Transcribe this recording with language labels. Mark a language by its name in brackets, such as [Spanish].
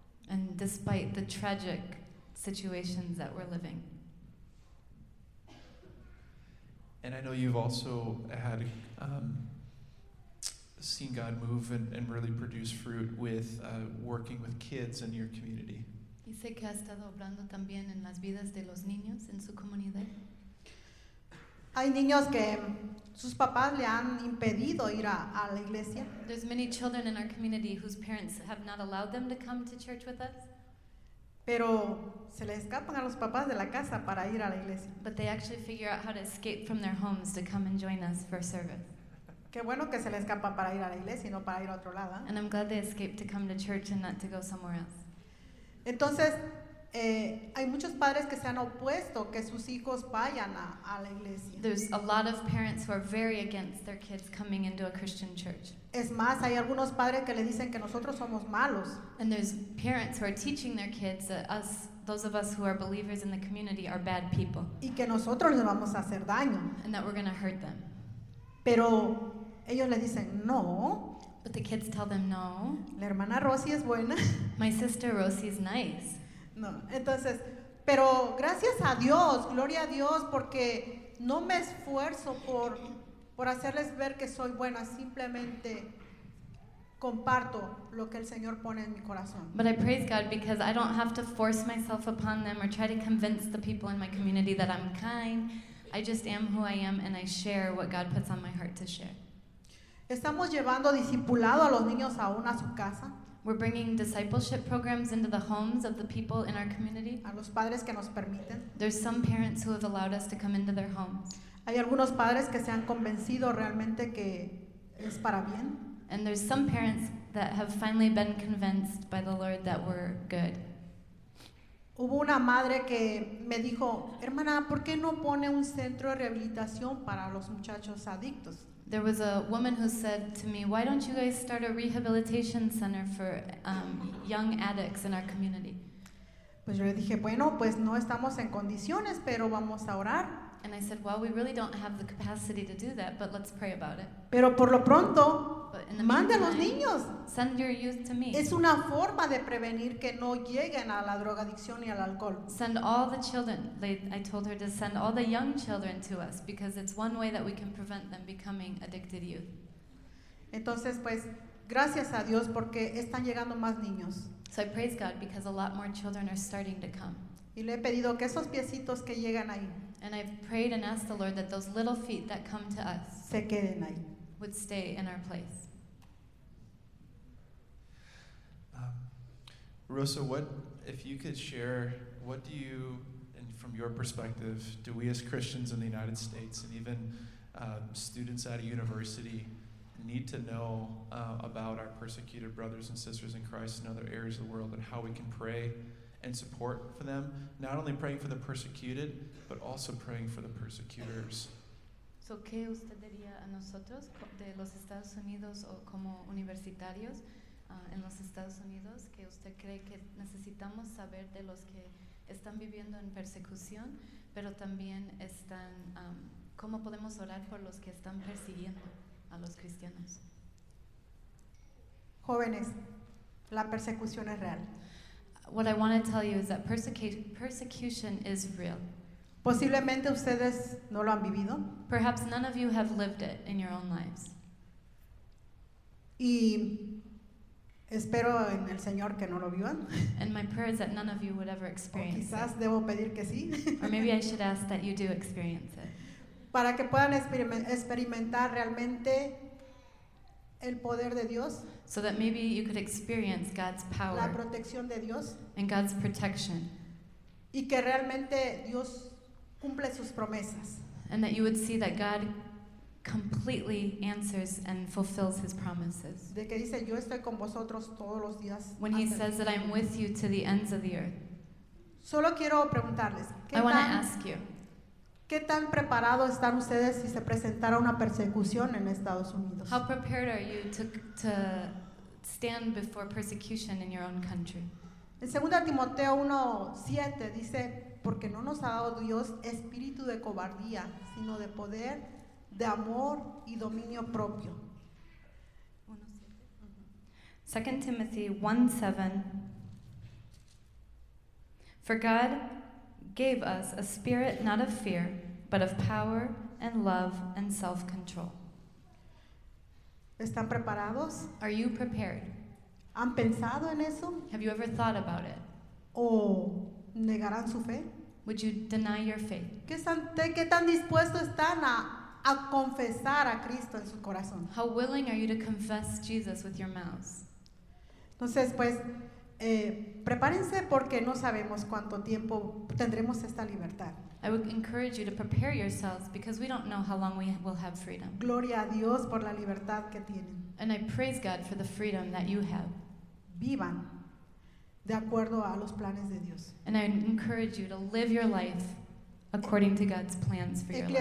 [English] And despite the tragic situations that we're living. And I know you've also had seen God move and really produce fruit with working with kids in your community. [Spanish] Y sé que ha estado obrando también en las vidas de los niños en su comunidad. Hay niños que sus papás le han impedido ir a la iglesia. [English] There's many children in our community whose parents have not allowed them to come to church with us. [Spanish] Pero se le escapan a los papás de la casa para ir a la iglesia. [English] But they actually figure out how to escape from their homes to come and join us for service. [Spanish] Qué bueno que se le escapa para ir a la iglesia y no para ir a otro lado. [English] And I'm glad they escaped to come to church and not to go somewhere else. [Spanish] Entonces, hay muchos padres que se han opuesto que sus hijos vayan a la iglesia. [English] There's a lot of parents who are very against their kids coming into a Christian church. [Spanish] Es más, hay algunos padres que le dicen que nosotros somos malos. [English] And there's parents who are teaching their kids that us, those of us who are believers in the community, are bad people. [Spanish] Y que nosotros les vamos a hacer daño. [English] And that we're going to hurt them. [Spanish] Pero ellos le dicen no. [English] But the kids tell them no. [Spanish] La hermana Rosy es buena. [English] My sister Rosy is nice. [Spanish] No, entonces, pero gracias a Dios, gloria a Dios, porque no me esfuerzo por hacerles ver que soy buena, simplemente comparto lo que el Señor pone en mi corazón. [English] But I praise God because I don't have to force myself upon them or try to convince the people in my community that I'm kind. I just am who I am and I share what God puts on my heart to share. [Spanish] Estamos llevando discipulado a los niños aún a su casa. [English] We're bringing discipleship programs into the homes of the people in our community. [Spanish] A los padres que nos permiten. [English] There's some parents who have allowed us to come into their homes. [Spanish] Hay algunos padres que se han convencido realmente que es para bien. [English] And there's some parents that have finally been convinced by the Lord that we're good. [Spanish] Hubo una madre que me dijo, hermana, ¿por qué no pone un centro de rehabilitación para los muchachos adictos? [English] There was a woman who said to me, why don't you guys start a rehabilitation center for young addicts in our community? [Spanish] Pues yo le dije, bueno, pues no estamos en condiciones, pero vamos a orar. [English] And I said, well, we really don't have the capacity to do that, but let's pray about it. [Spanish] Pero por lo pronto, manda a los niños. [English] Send your youth to me. [Spanish] Es una forma de prevenir que no lleguen a la drogadicción y al alcohol. [English] Send all the children. I told her to send all the young children to us because it's one way that we can prevent them becoming addicted youth. [Spanish] Entonces, pues, gracias a Dios porque están llegando más niños. [English] So I praise God because a lot more children are starting to come. [Spanish] Y le he pedido que esos piecitos que llegan ahí. [English] And I've prayed and asked the Lord that those little feet that come to us [Spanish] se queden ahí. [English] Would stay in our place. Rosa, what if you could share, what do you, and from your perspective, do we as Christians in the United States and even students at a university need to know about our persecuted brothers and sisters in Christ in other areas of the world and how we can pray and support for them, not only praying for the persecuted, but also praying for the persecutors? [Spanish] So, ¿qué usted diría a nosotros de los Estados Unidos o como universitarios en los Estados Unidos que usted cree que necesitamos saber de los que están viviendo en persecución, pero también están, cómo podemos orar por los que están persiguiendo a los cristianos? Jóvenes, la persecución es real. [English] What I want to tell you is that persecution is real. [Spanish] Posiblemente ustedes no lo han vivido. [English] Perhaps none of you have lived it in your own lives. [Spanish] Y espero en el Señor que no lo vivan. [English] And my prayer is that none of you would ever experience it. [Spanish] O quizás [English] it. [Spanish] Debo pedir que sí. [English] Or maybe I should ask that you do experience it. [Spanish] Para que puedan experimentar realmente el poder de Dios. [English] So that maybe you could experience God's power. [Spanish] La protección de Dios. [English] And God's protection. [Spanish] Y que realmente Dios cumple sus promesas. [English] And that you would see that God completely answers and fulfills his promises. [Spanish] De que dice, yo estoy con vosotros todos los días. [English] When he says that I'm with you to the ends of the earth. [Spanish] Solo quiero preguntarles, [English] I want to ask you. [Spanish] ¿Qué tan preparados están ustedes si se presentara una persecución en Estados Unidos? [English] How prepared are you to stand before persecution in your own country? [Spanish] En 2 Timoteo 1:7 dice, porque no nos ha dado Dios espíritu de cobardía, sino de poder, de amor y dominio propio. [English] 2 Timothy 1:7. For God gave us a spirit not of fear, but of power and love and self-control. [Spanish] ¿Están preparados? [English] Are you prepared? [Spanish] ¿Han pensado en eso? [English] Have you ever thought about it? [Spanish] ¿O negarán su fe? [English] Would you deny your faith? [Spanish] ¿Qué tan dispuesto están a confesar a Cristo en su corazón? [English] How willing are you to confess Jesus with your mouth? [Spanish] Entonces, pues, prepárense porque no sabemos cuánto tiempo tendremos esta libertad. [English] I would encourage you to prepare yourselves because we don't know how long we will have freedom. [Spanish] Gloria a Dios por la libertad que tienen. [English] And I praise God for the freedom that you have. [Spanish] Vivan de acuerdo a los planes de Dios. [English] And I encourage you to live your life according to God's plans for your life.